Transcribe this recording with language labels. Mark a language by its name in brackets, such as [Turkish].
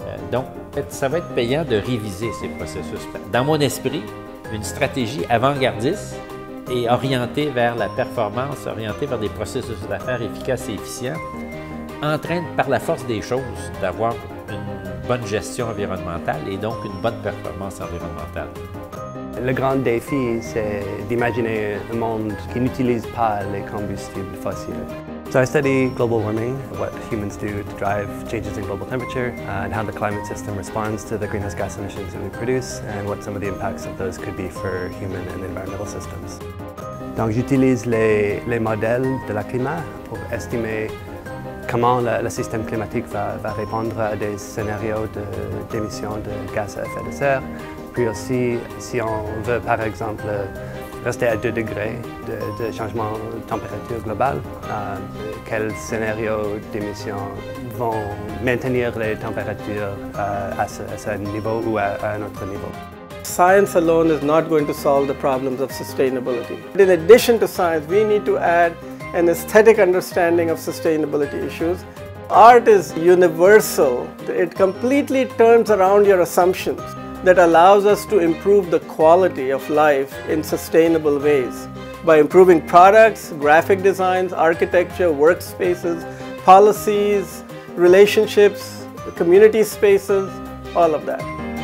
[French] Donc, ça va être payant de réviser ces processus. Dans mon esprit, une stratégie avant-gardiste et orientée vers la performance, orientée vers des processus d'affaires efficaces et efficients, entraîne par la force des choses d'avoir une bonne gestion environnementale et donc une bonne performance environnementale. Le grand défi, c'est d'imaginer un monde qui n'utilise pas les combustibles fossiles. [English] So I study global warming, what humans do to drive changes in global temperature, and how the climate system responds to the greenhouse gas emissions that we produce, and what some of the impacts of those could be for human and environmental systems. [French] Donc j'utilise les modèles de la climat pour estimer comment le système climatique va répondre à des scénarios d'émissions de gaz à effet de serre. Puis aussi, si on veut, par exemple, rester à 2 degrés de changement de température globale, quels scénarios d'émissions vont maintenir les températures à ce niveau ou à un autre niveau. [English] Science alone is not going to solve the problems of sustainability. In addition to science, we need to add an aesthetic understanding of sustainability issues. Art is universal. It completely turns around your assumptions. That allows us to improve the quality of life in sustainable ways by improving products, graphic designs, architecture, workspaces, policies, relationships, community spaces, all of that.